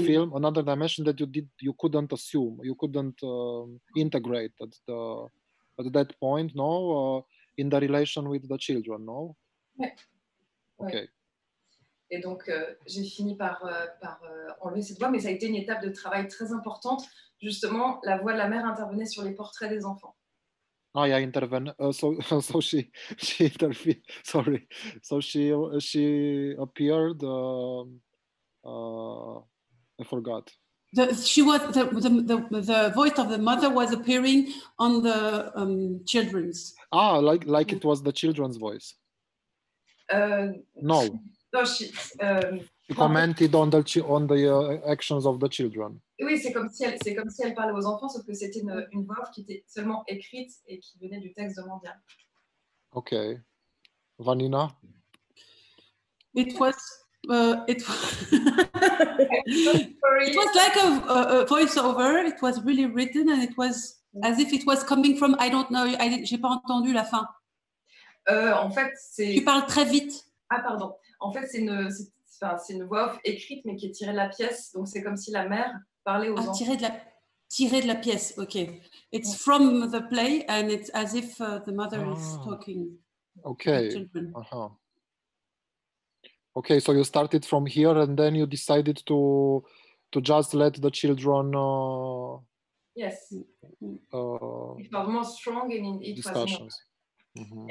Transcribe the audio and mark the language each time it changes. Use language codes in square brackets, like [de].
[en] The film, another dimension that you couldn't assume, you couldn't integrate at the. At that point, no, in the relation with the children, no. Yeah. Okay. [fr] Et donc j'ai fini par enlever cette voix, mais ça a été une étape de travail très importante. Justement, la voix de la mère intervenait sur les portraits des enfants. [en] Ah, yeah, intervene. So she intervened. Sorry. So she appeared. I forgot. The voice of the mother was appearing on the children's. Ah, like it was the children's voice. No. No, she. She commented on the actions of the children. [fr] Oui, c'est comme si elle parlait aux enfants, sauf que c'était une voix off qui était seulement écrite et qui venait du texte de Mandiane. [en] Okay, Vanina. It was like a voiceover. It was really written, and it was as if it was coming from. I don't know. [fr] J'ai pas entendu la fin. En fait, c'est. Tu parles très vite. Ah, pardon. En fait, c'est une voix off écrite, mais qui est tirée de la pièce. Donc, c'est comme si la mère parlait aux enfants. Tirée de la pièce. Okay. [en] It's from the play, and it's as if the mother is talking. Okay. Uh huh. Okay, so you started from here, and then you decided to just let the children. Yes. It was more strong, and it discussions. Was enough. Mm-hmm.